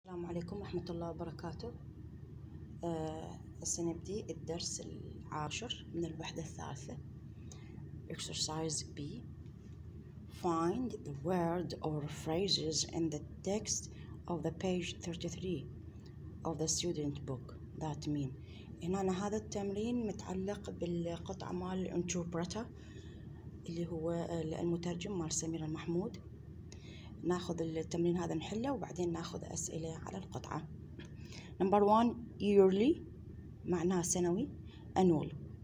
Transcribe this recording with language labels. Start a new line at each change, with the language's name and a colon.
Arabic: عليكم ورحمة الله وبركاته. سنبدي الدرس العاشر من الوحدة الثالثة.
English: Exercise B. Find the word or phrases in the text of the page 33 of the student book. That mean.
Arabic: هنا أنا هذا التمرين متعلق بالقطعة مال interpreter اللي هو المترجم مال سمير المحمود. ناخذ التمرين هذا نحله وبعدين ناخذ اسئله على القطعه. نمبر 1
English: yearly
Arabic: معناه سنوي annual.